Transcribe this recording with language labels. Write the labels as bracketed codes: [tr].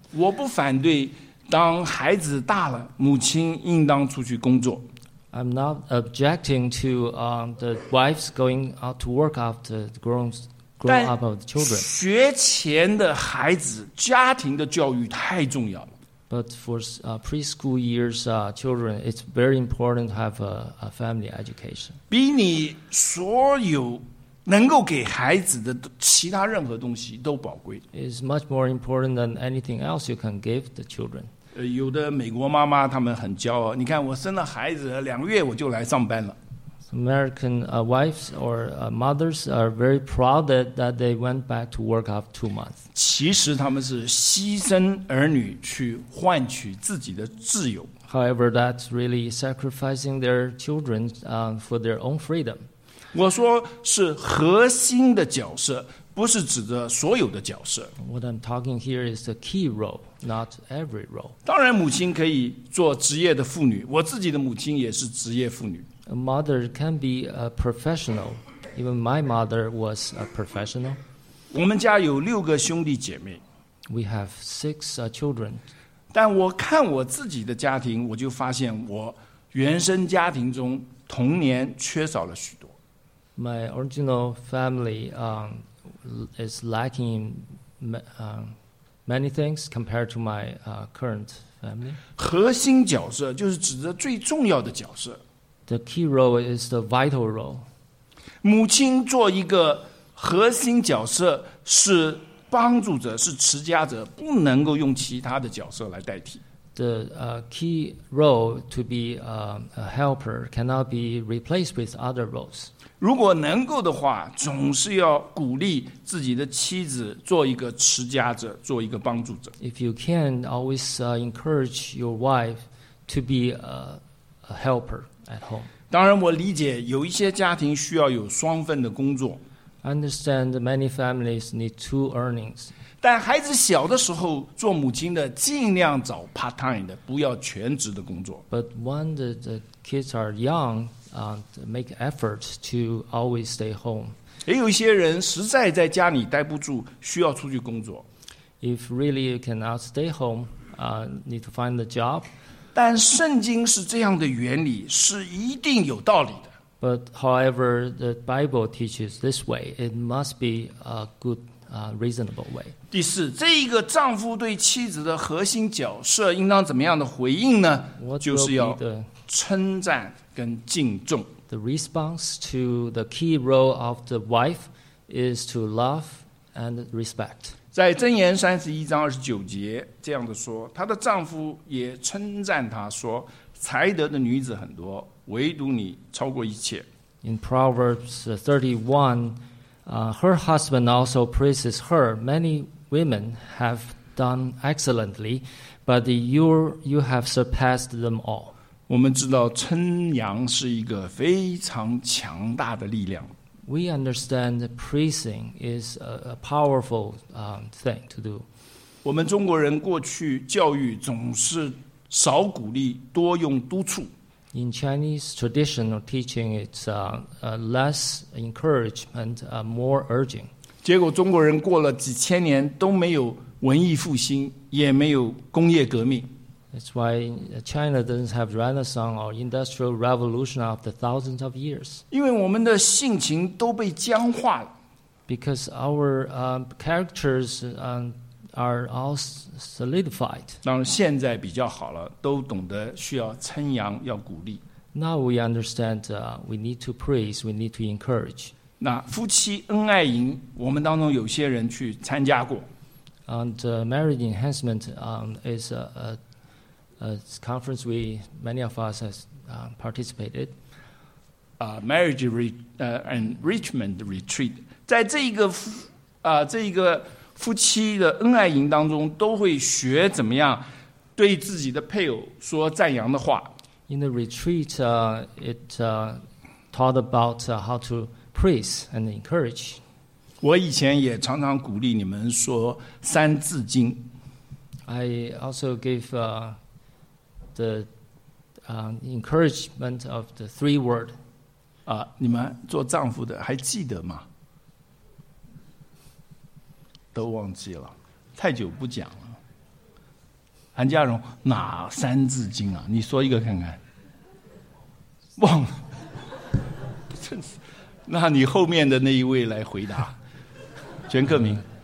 [zh] 我不反对当孩子大了母亲应当出去工作。 [en] I'm not objecting to the wives going out to work after the grown up of the children. [zh] 但学前的孩子，家庭的教育太重要了。 [en] But for preschool years children, it's very important to have a family education. [zh] 比你所有能够给孩子的其他任何东西都宝贵。 [en] It's much more important than anything else you can give the children. [zh] 有的美国妈妈她们很骄傲，你看我生了孩子两个月我就来上班了。 [en] American wives or mothers are very proud that they went back to work after 2 months. [zh] 其实她们是牺牲儿女去换取自己的自由。 [en] However, that's really sacrificing their children for their own freedom. [zh] 我说是核心的角色，不是指的所有的角色。 [en] What I'm talking here is the key role. Not every role. [zh] 当然母亲可以做职业的妇女，我自己的母亲也是职业妇女。 [en] A mother can be a professional. Even my mother was a professional. [zh] 我们家有六个兄弟姐妹。 [en] We have six children. [zh] 但我看我自己的家庭，我就发现我原生家庭中童年缺少了许多。 [en] My original family is lacking many things compared to my current family. [zh] 核心角色就是指的最重要的角色。 [en] The key role is the vital role. [zh] 母亲做一个核心角色是帮助者，是持家者，不能够用其他的角色来代替。 [en] The key role to be a helper cannot be replaced with other roles. [zh] 如果能够的话，总是要鼓励自己的妻子做一个持家者，做一个帮助者。 [en] If you can, always encourage your wife to be a helper at home. [zh] 当然，我理解有一些家庭需要有双份的工作。 [en] I understand many families need two earnings. [zh] 但孩子小的时候，做母亲的尽量找 part-time 的，不要全职的工作。 [en] But when the kids are young, make effort to always stay home. [zh] 也有一些人实在在家里待不住，需要出去工作。 [en] If really you cannot stay home, need to find a job. [zh] 但圣经是这样的原理，是一定有道理的。 [en] But however, the Bible teaches this way. It must be a good. Reasonable way. [zh] 第四，这一个丈夫对妻子的核心角色应当怎么样的回应呢？就是要称赞跟敬重。 [en] The response to the key role of the wife is to love and respect. [zh] 在箴言31:29这样的说，她的丈夫也称赞她说：“才德的女子很多，唯独你超过一切。” [en] In Proverbs 31. Her husband also praises her. Many women have done excellently, but you have surpassed them all. [zh] 我们知道称扬是一个非常强大的力量。 [en] We understand that praising is a powerful thing to do. [zh] 我们中国人过去教育总是少鼓励，多用督促。 [en] In Chinese traditional teaching, it's less encouragement, more urging. [zh] 结果中国人过了几千年都没有文艺复兴，也没有工业革命。 [en] That's why China doesn't have Renaissance or Industrial Revolution after thousands of years. [zh] 因为我们的性情都被僵化了。 [en] Because our characters are all solidified. [zh] 当然现在比较好了，都懂得需要称扬，要鼓励。 [en] Now we understand we need to praise, we need to encourage. [zh] 那夫妻恩爱营，我们当中有些人去参加过。 [en] And marriage enhancement is a conference we many of us has participated. Marriage enrichment retreat. [zh] 在这一个这一个夫妻的恩爱营当中，都会学怎么样对自己的配偶说赞扬的话。 [en] In the retreat, it taught about how to praise and encourage. [zh] 我以前也常常鼓励你们说三字经。 [en] I also gave the encouragement of the three word. [zh] 你们做丈夫的还记得吗？都忘记了，太久不讲了。韩家荣，哪三字经啊？你说一个看看。忘了，那你后面的那一位来回答，全克明。